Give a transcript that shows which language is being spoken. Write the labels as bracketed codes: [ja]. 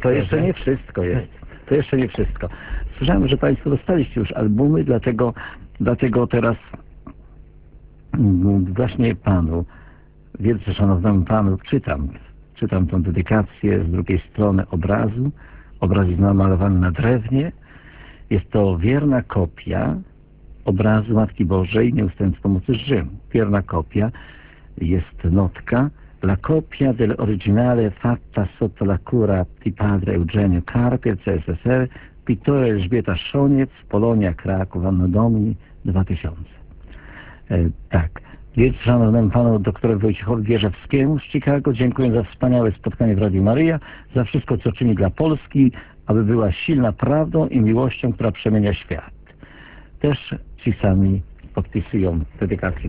[pl] To jeszcze nie wszystko jest. To jeszcze nie wszystko. Słyszałem, że państwo dostaliście już albumy, dlatego teraz właśnie panu, wielce szanownemu panu, czytam tę dedykację z drugiej strony obrazu. Obraz jest namalowany na drewnie. Jest to wierna kopia obrazu Matki Bożej Nieustającej Pomocy Rzym. Wierna kopia, jest notka. [it] La copia dell'originale fatta sotto la cura di padre Eugenio Carpiel, CSSR, pittore Elżbieta Szoniec, Polonia, Kraków, Anno Domini, 2000. [pl] Tak. Więc szanownemu panu doktorowi Wojciechowi Wierzewskiemu z Chicago dziękuję za wspaniałe spotkanie w Radiu Maryja, za wszystko, co czyni dla Polski, aby była silna prawdą i miłością, która przemienia świat. Też ci sami podpisują dedykację.